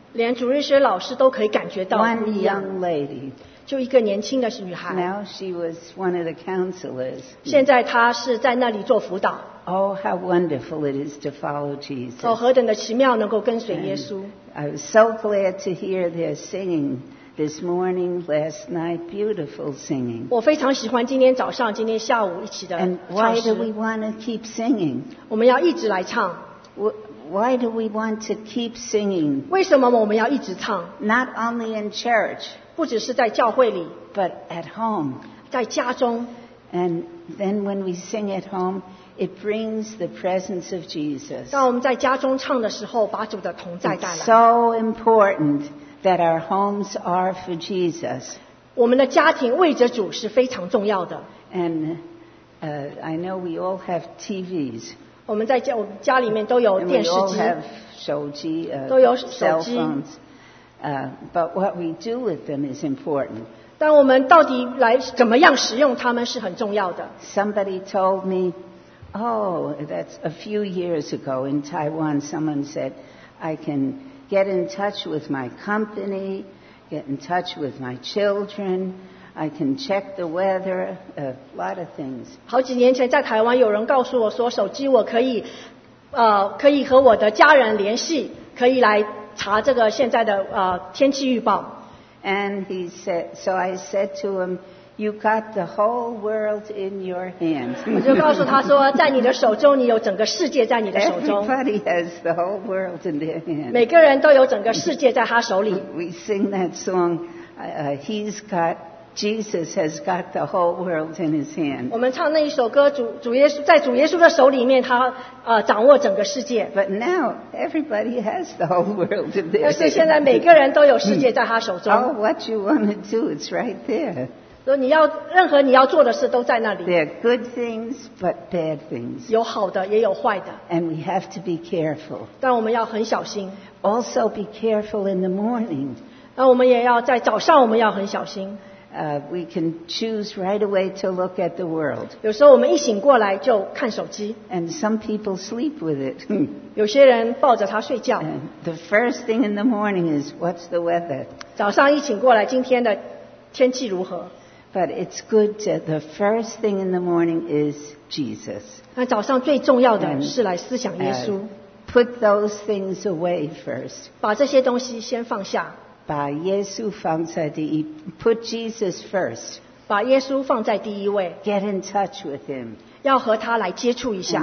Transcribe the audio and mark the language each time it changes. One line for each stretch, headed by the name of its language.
Chinese: 连主日学老师都可以感觉到不一样。
English: One young lady.
Chinese: 就一个年轻的女孩。
English: Now she was one of the counselors.
Chinese: 现在她是在那里做辅导。
English: Oh, how wonderful it is to follow Jesus.
Chinese: 何等的奇妙能够跟随耶稣。
English: I was so glad to hear their singing this morning, last night, beautiful singing.
Chinese: 我非常喜欢今天早上、今天下午一起的唱诗。
English: And why do we want to keep singing?
Chinese: 我们要一直来唱。
English: Why do we want to keep singing?
Chinese: 为什么我们要一直唱
English: ？Not only in church.
Chinese: 不只是在教会里
English: but at home
Chinese: 在家中
English: and then when we sing at home it brings the presence of Jesus
Chinese: 当我们在家中唱的时候把主的同在带来
English: It's so important that our homes are for Jesus
Chinese: 我们的家庭为着主是非常重要的
English: and I know we all have TVs
Chinese: 我们在家里面都有电视机
English: and we all have 手机
Chinese: 都有手机
English: cell phonesBut what we do with them is important.
Chinese: 但我们到底来怎么样使用它们是很重要的。
English: Somebody told me, oh, that's a few years ago in Taiwan, someone said, I can get in touch with my company, get in touch with my children, I can check the weather, a lot of things.
Chinese: 好几年前在台湾有人告诉我说手机我可以可以和我的家人联系，可以来查这个现在的天气预报。
English: And he said, so I said to him, "You got the whole world in your hand."
Chinese: 我就告诉他说，在你的手中，你有整个世界在你的手中。
English: Everybody has the whole world in their hand.
Chinese: 每个人都有整个世界在他手里。
English: We sing that song, "He's got." Jesus has got the whole world in His hand.
Chinese: 我们唱那一首歌，主耶稣在主耶稣的手里面，他掌握整个世界。
English: But now everybody has the whole world in their hand.
Chinese: 但是现在每个人都有世界在他手中。
English: Oh, what you want to do? It's right there.
Chinese: 所以你要任何你要做的事都在那里。
English: There are good things, but bad things.
Chinese: 有好的，也有坏的。
English: And we have to be careful.
Chinese: 但我们要很小心。
English: Also be careful in the morning.
Chinese: 那我们也要在早上，我们要很小心。
English: We can choose right away to look at the world.
Chinese: 有时候我们一醒过来就看手机。
English: And some people sleep with it.
Chinese: 有些人抱着它睡觉。And
English: the first thing in the morning is, what's the weather?
Chinese: 早上一醒过来，今天的天气如何？
English: But it's good to, the first thing in the morning is Jesus.
Chinese: 那早上最重要的是来思想耶稣。
English: Put those things away first.
Chinese: 把这些东西先放下。把耶稣放在第一 ，
English: Put Jesus first。
Chinese: 把耶稣放在第一位。
English: Get in touch with him。
Chinese: 要和他来接触一下。